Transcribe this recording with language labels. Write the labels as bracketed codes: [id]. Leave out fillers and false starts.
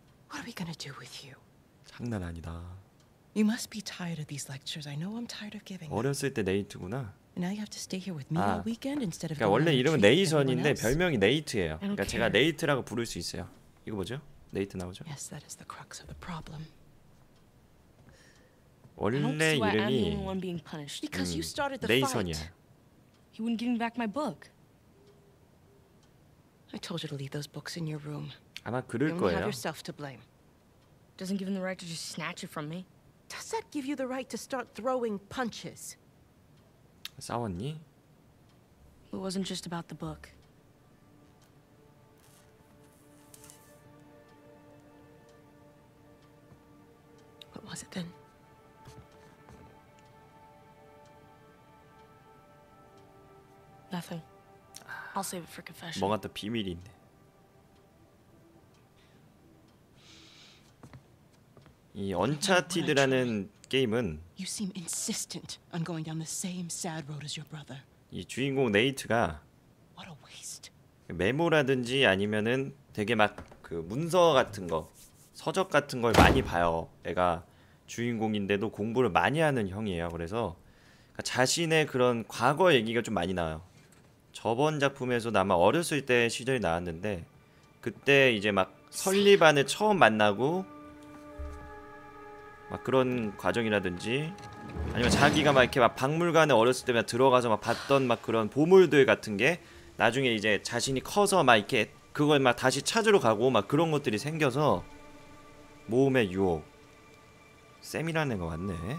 [en] What are we gonna do with you? [ko] 장난 아니다. [en] You must be tired of these lectures. I know I'm tired of giving. [ko] 어렸을 때 네이트구나. [en] Now you have to stay here with me all weekend instead of. [ko] 그러니까 원래 이름은 네이선인데 별명이 네이트예요. 그러니까 제가 네이트라고 부를 수 있어요. 이거 뭐죠? 네이트 나오죠? [en] Yes, that is the crux of the problem. [ko] 원래 이름이 [en] because you started the fight. He wouldn't give me back my book. I told you to leave those books in your room. [ko] 아마 그럴 거예요. [en] You have yourself to blame. Doesn't give him the right to just snatch it from me. Does that give you the right to start throwing punches? [ko] 싸웠니? [en] It wasn't just about the book. What was it then? Nothing. I'll save it for confession. [ko] 뭔가 또 비밀인데. 이 언차티드라는 게임은 [en] You seem insistent on going down the same sad road as your brother. [ko] 이 주인공 네이트가 [en] What a waste. [ko] 메모라든지 아니면은 되게 막 그 문서 같은 거, 서적 같은 걸 많이 봐요. 애가 주인공인데도 공부를 많이 하는 형이에요. 그래서 자신의 그런 과거 얘기가 좀 많이 나와요. 저번 작품에서 아마 어렸을 때 시절이 나왔는데 그때 이제 막 설리반을 처음 만나고 막 그런 과정이라든지 아니면 자기가 막 이렇게 막 박물관에 어렸을 때 막 들어가서 막 봤던 막 그런 보물들 같은 게 나중에 이제 자신이 커서 막 이렇게 그걸 막 다시 찾으러 가고 막 그런 것들이 생겨서 모험의 유혹. 샘이라는 거 맞네.